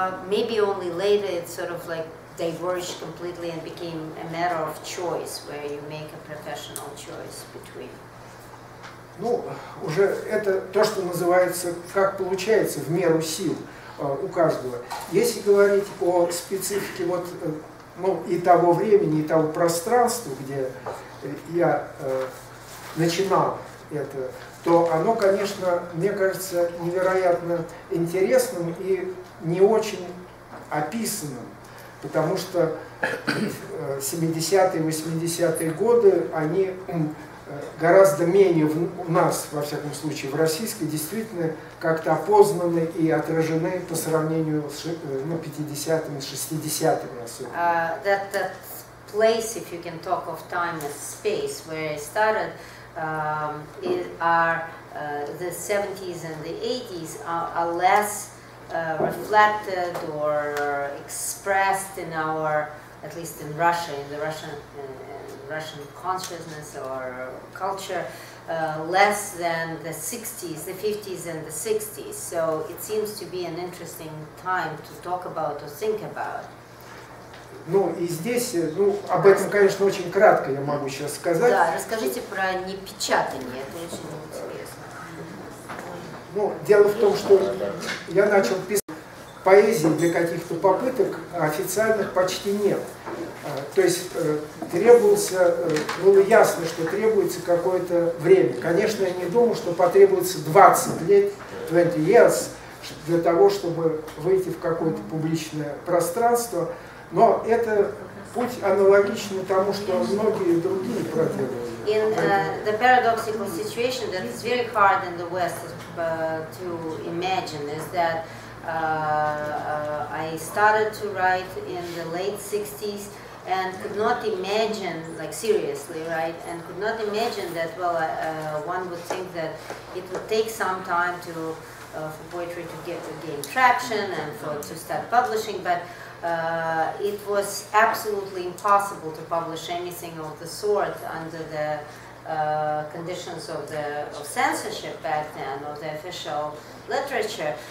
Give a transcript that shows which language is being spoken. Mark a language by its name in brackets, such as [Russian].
[English] Maybe only later it sort of like diverged completely and became a matter of choice, where you make a professional choice between. [Russian] Ну, уже это то, что называется, как получается, в меру сил у каждого. Если говорить о специфике вот, ну, и того времени, и того пространства, где я начинал это, то оно, конечно, мне кажется, невероятно интересным и не очень описанным, потому что 70-е, 80-е годы, они гораздо менее в, у нас, во всяком случае, в российской, действительно как-то опознаны и отражены по сравнению с 50-ми, 60-ми особенно. [English] That place, if you can talk of time and space, where I started, the 70s and the 80s are less reflected or expressed in our, at least in Russia, in the Russian Russian consciousness or culture, less than the 60s, the 50s and the 60s. So it seems to be an interesting time to talk about or think about. [Russian] Ну и здесь, ну, об этом, конечно, очень кратко я могу сейчас сказать. Да, расскажите про непечатание, это очень интересно. Ну, дело в том, что я начал писать поэзии для каких-то попыток, а официальных почти нет. То есть требовался, было ясно, что требуется какое-то время. Конечно, я не думал, что потребуется 20 лет, [English] 20 years, [Russian] для того, чтобы выйти в какое-то публичное пространство. Но это путь аналогичный тому, что многие другие проделывали. [English] In the paradoxical situation that is very hard in the West to imagine is that I started to write in the late 60s and could not imagine, like seriously, right? And could not imagine that, well, one would think that it would take some time to for poetry to get to gain traction and for to start publishing, but it was absolutely impossible to publish anything of the sort under the conditions of the of censorship back then, of the official literature.